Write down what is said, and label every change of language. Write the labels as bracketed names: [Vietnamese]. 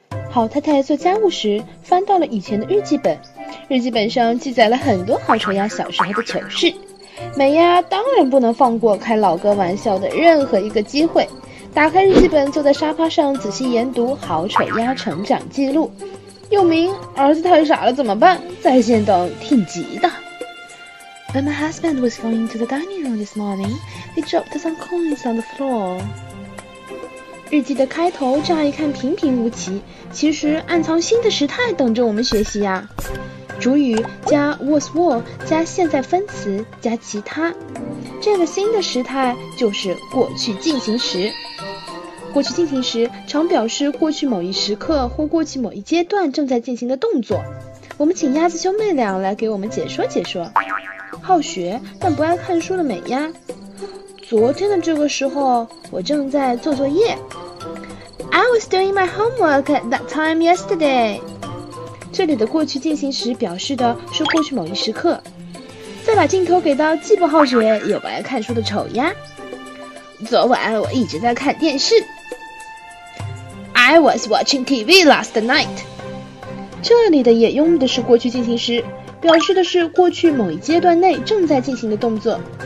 [Chinese] 好太太做家务时翻到了以前的日记本，日记本上记载了很多好丑鸭小时候的糗事。美鸭当然不能放过开老哥玩笑的任何一个机会，打开日记本，坐在沙发上仔细研读好丑鸭成长记录，又名儿子太傻了怎么办，在线等，挺急的。 [English] When my husband was going to the dining room this morning, he dropped some coins on the floor. [Chinese] 日记的开头乍一看平平无奇，其实暗藏新的时态等着我们学习呀。主语加 was were 加现在分词加其他，这个新的时态就是过去进行时。过去进行时常表示过去某一时刻或过去某一阶段正在进行的动作。我们请鸭子兄妹俩来给我们解说解说。好学但不爱看书的美鸭，昨天的这个时候我正在做作业。 [English] I was doing my homework at that time yesterday。 [Chinese] 这里的过去进行时表示的是过去某一时刻。再把镜头给到既不好学也不爱看书的丑鸭，昨晚我一直在看电视。 [English] I was watching TV last night。 [Chinese] 这里的也用的是过去进行时，表示的是过去某一阶段内正在进行的动作。